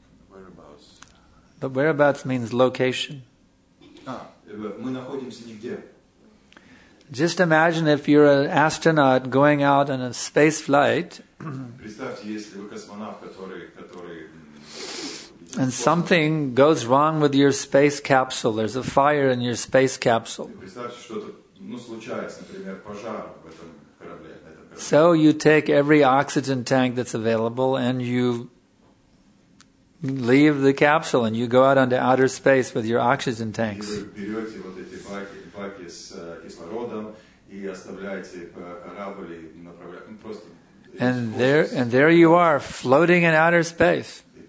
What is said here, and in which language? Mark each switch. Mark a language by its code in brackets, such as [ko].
[en] But whereabouts means location. [ru] Мы находимся нигде. [en] Just imagine if you're an astronaut going out on a space flight. [ru] Представьте, если вы космонавт, который [en] and something goes wrong with your space capsule. There's a fire in your space capsule. [ru] Представьте, что-то случается, например, пожар в этом корабле. [en] So you take every oxygen tank that's available and you leave the capsule and you go out onto outer space with your oxygen tanks. And there you are, floating in outer space.